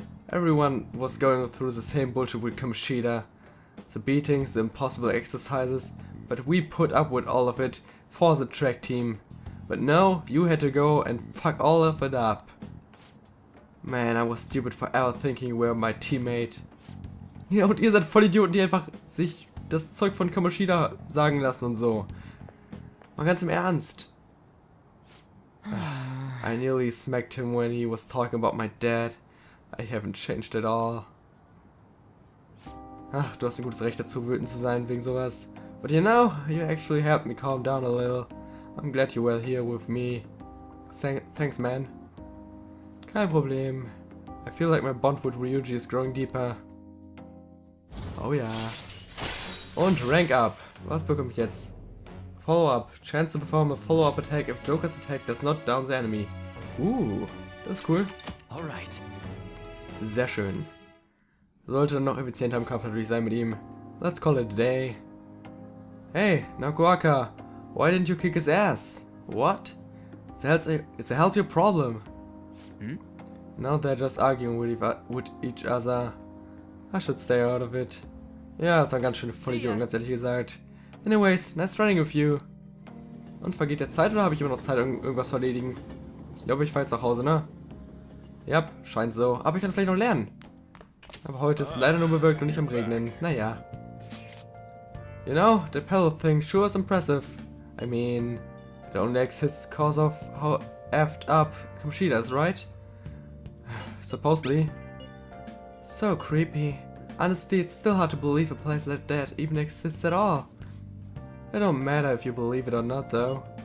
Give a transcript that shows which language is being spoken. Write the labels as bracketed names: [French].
[English] Everyone was going through the same bullshit with Kamoshida. The beatings, the impossible exercises, but we put up with all of it for the track team. But no, you had to go and fuck all of it up. Man, I was stupid for ever thinking you were my teammate. [German] Ja, und ihr seid Vollidioten, die einfach sich das Zeug von Kamoshida sagen lassen und so. Mal ganz im Ernst. [English] I nearly smacked him when he was talking about my dad. I haven't changed at all. [German] Ach, du hast ein gutes Recht dazu, wütend zu sein wegen sowas. [English] But you know, you actually helped me calm down a little. I'm glad you were here with me. Thanks, man. [German] Kein Problem. [English] I feel like my bond with Ryuji is growing deeper. [German] Oh ja. Und Rank Up. Was bekomme ich jetzt? Follow-up. [English] Chance to perform a follow-up attack if Joker's attack does not down the enemy. [German] Das ist cool. [English] Alright. [German] Sehr schön. Sollte dann noch effizienter im Kampf natürlich sein mit ihm. [English] Let's call it a day. Hey, Nakuaka. Why didn't you kick his ass? What? Is the hell's your problem? Hm? Now they're just arguing with each other. I should stay out of it. [German] Ja, das war ganz schön voll Idioten, ganz ehrlich gesagt. [English] Anyways, nice running with you. [German] Und vergeht der Zeit oder habe ich immer noch Zeit, irgendwas zu erledigen? Ich glaube, ich fahre jetzt nach Hause, ne? Ja, yep, scheint so. Aber ich kann vielleicht noch lernen. Aber heute ist leider nur bewölkt und nicht am Regnen. Naja. [English] You know, the pedal thing sure is impressive. I mean, it only exists because of how effed up Kamoshida is, right? Supposedly. So creepy. Honestly, it's still hard to believe a place like that even exists at all. It don't matter if you believe it or not, though.